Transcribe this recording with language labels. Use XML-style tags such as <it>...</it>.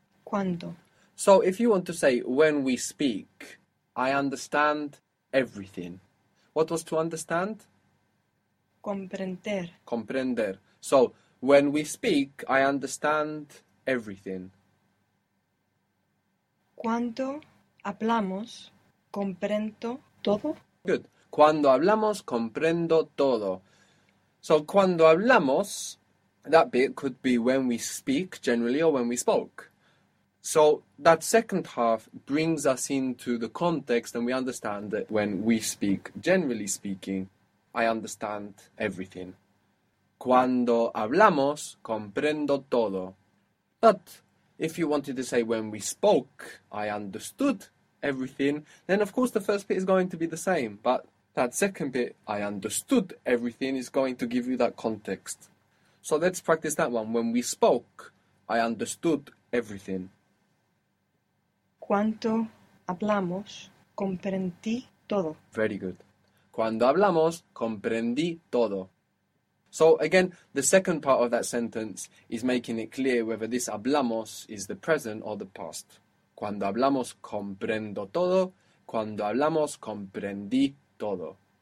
<es>Cuando.</es> <en>So if you want to say, when we speak, I understand everything. What was to understand?</en> <es>Comprender. Comprender.</es> <en>So when we speak, I understand everything.</en> <es>Cuando hablamos, comprendo todo.</es> <en>Good.</en> <es>Cuando hablamos, comprendo todo.</es> <en>So,</en> <es>cuando hablamos,</es> <en>that bit could be when we speak generally or when we spoke. So, that second half brings us into the context and we understand that when we speak, generally speaking, I understand everything.</en> <es>Cuando hablamos, comprendo todo.</es> <en>But if you wanted to say when we spoke, I understood everything, then of course the first bit is going to be the same, but that second bit, I understood everything, is going to give you that context. So let's practice that one. When we spoke, I understood everything.</en> <es>Cuanto hablamos, comprendí todo.</es> <en>Very good.</en> <es>Cuando hablamos, comprendí todo.</es> <en>So again, the second part of that sentence is making it clear whether this hablamos is the present or the past.</en> <es>Cuando hablamos, comprendo todo. Cuando hablamos, comprendí todo.</es>